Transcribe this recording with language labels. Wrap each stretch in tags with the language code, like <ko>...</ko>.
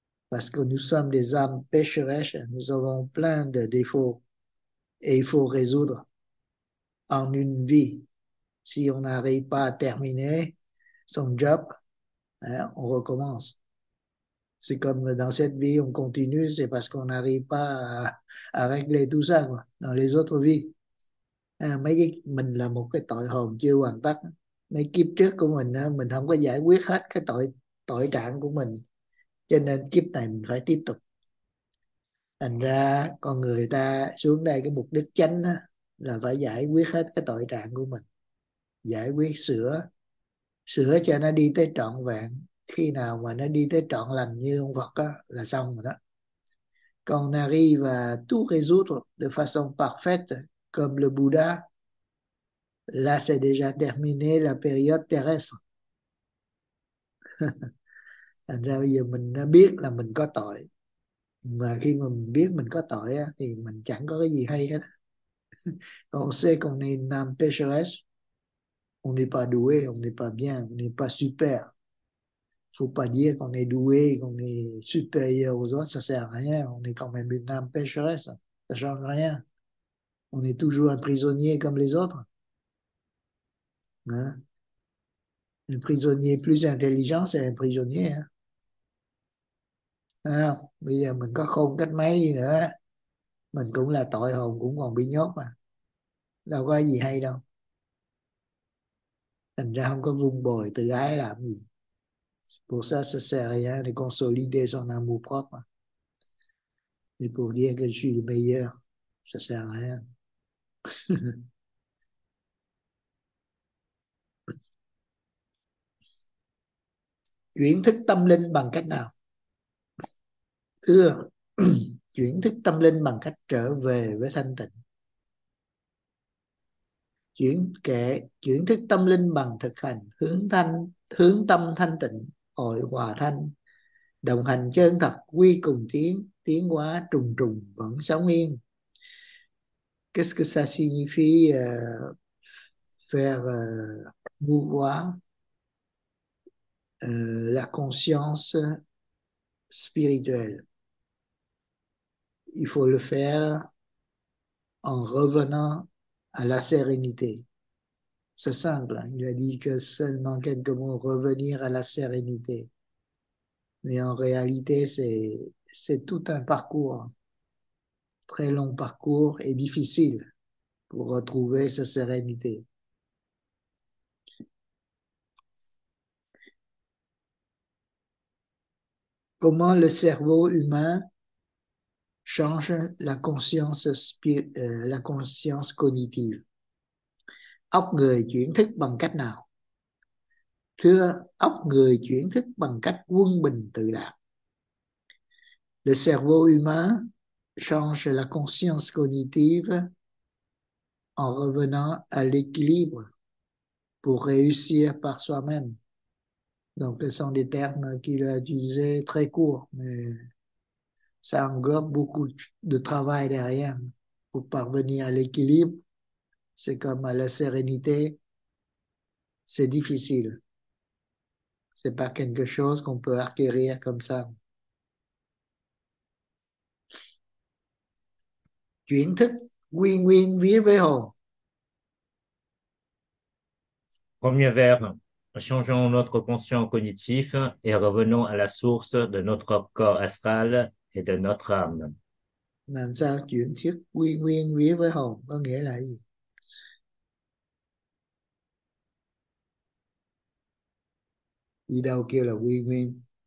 <fr>Parce que nous sommes des âmes pécheresses, nous avons plein de défauts et il faut résoudre en une vie. Si on n'arrive pas à terminer son job, hein, on recommence. C'est comme dans cette vie, on continue, c'est parce qu'on n'arrive pas à régler tout ça, quoi. Dans les autres vies, hein,</fr> <vi>mình là một cái tội hồn chưa hoàn tất. Mấy kiếp trước của mình không có giải quyết hết cái tội tội trạng của mình. Cho nên kiếp này mình phải tiếp tục. Thành ra con người ta xuống đây cái mục đích chánh đó, là phải giải quyết hết cái tội trạng của mình. Giải quyết sửa. Sửa cho nó đi tới trọn vẹn. Khi nào mà nó đi tới trọn lành như ông Phật đó, là xong rồi đó. Còn Nari và</vi> <fr>tout résoudre de façon parfaite comme le Bouddha, là c'est déjà terminé la période terrestre.</fr> <vi>Thành ra bây giờ mình đã biết là mình có tội. Mà khi mà mình biết mình có tội á, thì mình chẳng có cái gì hay hết.</vi> <fr>Còn on sait qu'on est une âme pécheresse. On n'est pas doué, on n'est pas bien, on n'est pas super. Faut pas dire qu'on est doué, qu'on est supérieur aux autres, ça sert à rien. On est quand même une âme pécheresse. Ça change rien. On est toujours un prisonnier comme les autres. Hein? Un prisonnier plus intelligent, c'est un prisonnier. Hein?</fr> <vi>À, bây giờ mình có khôn cách mấy đi nữa, mình cũng là tội hồn cũng còn bị nhốt mà. Đâu có gì hay đâu. Thành ra không có vung bồi tự ái làm gì.</vi> <fr>Pour ça, ça sert à rien de consolider son amour propre. Et pour dire que je suis le meilleur, ça sert à rien.</fr> <vi>Chuyển thức tâm linh bằng cách nào? Thưa, chuyển thức tâm linh bằng cách trở về với thanh tịnh. Chuyển thức tâm linh bằng thực hành hướng tâm thanh tịnh, hội hòa thanh, đồng hành chân thật, quy cùng tiến hóa trùng trùng vẫn sống yên.</vi> <fr>Qu'est-ce que ça signifie faire mouvoir la conscience spirituelle. Il faut le faire en revenant à la sérénité. C'est simple, hein? Il a dit que seulement quelques mots, revenir à la sérénité. Mais en réalité, c'est tout un parcours, très long parcours et difficile pour retrouver sa sérénité. Comment le cerveau humain change la conscience cognitive?</fr> <vi>Óc người chuyển thức bằng cách nào? Thưa, óc người chuyển thức bằng cách quân bình tự đạt.</vi> <fr>Le cerveau humain change la conscience cognitive en revenant à l'équilibre pour réussir par soi-même. Donc, ce sont des termes qu'il a utilisés très courts, mais ça englobe beaucoup de travail derrière pour parvenir à l'équilibre. C'est comme à la sérénité, c'est difficile. C'est pas quelque chose qu'on peut acquérir comme ça.</fr> <vi>Chuyển thức nguyên nguyên vía với hồn.</vi> <fr>Premier verbe, changeons notre conscient cognitif et revenons à la source de notre corps astral et de notre âme.</fr> <vi>Làm sao chuyển thức nguyên nguyên vía với hồn có nghĩa là gì? Đi đâu kêu là quy nguyên?</vi>